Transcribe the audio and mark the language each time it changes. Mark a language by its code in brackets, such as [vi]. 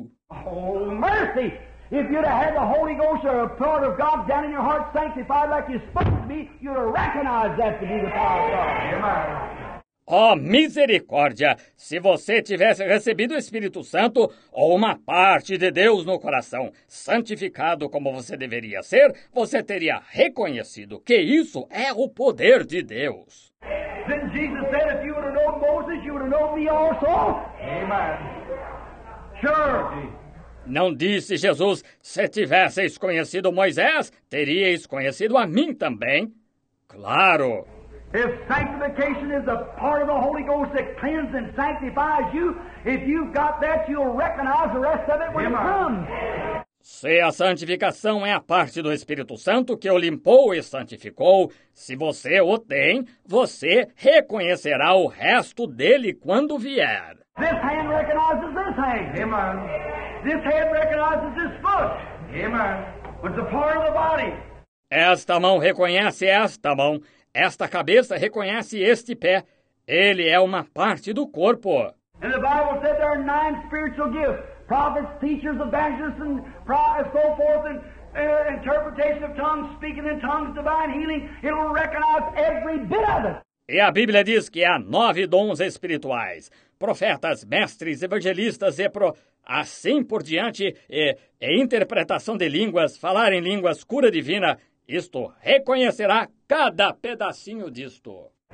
[en] Oh, mercy! If you'd have had the Holy Ghost or a power of God down in your heart sanctified like you spoke to me, you'd have recognized that to be the power of God. Amen. [pt] Oh, misericórdia! Se você tivesse recebido o Espírito Santo ou uma parte de Deus no coração, santificado como você deveria ser, você teria reconhecido que isso é o poder de Deus. [en] Then Jesus said, if you would have known Moses, you would have known me also. Amen. Sure. [pt] Não disse Jesus, se tivesseis conhecido Moisés, teríeis conhecido a mim também. Claro. [en] If sanctification is a part of the Holy Ghost that cleanses and sanctifies you, if you've got that, you'll recognize the rest of it when it comes. [pt] Se a santificação é a parte do Espírito Santo que o limpou e santificou, se você o tem, você reconhecerá o resto dele quando vier. [en] This hand recognizes this hand. Amen. This hand recognizes this foot. Amen. It's a part of the body. [pt] Esta mão reconhece esta mão. Esta cabeça reconhece este pé. Ele é uma parte do corpo. [en] And the Bible said there are 9 spiritual gifts. Prophets, teachers, evangelists, and so forth, and interpretation of tongues, speaking in tongues, divine healing. It will recognize every bit of it. [pt] E a Bíblia diz que há 9 dons espirituais. Profetas, mestres, evangelistas e assim por diante, e interpretação de línguas, falar em línguas, cura divina, isto reconhecerá cada pedacinho disto.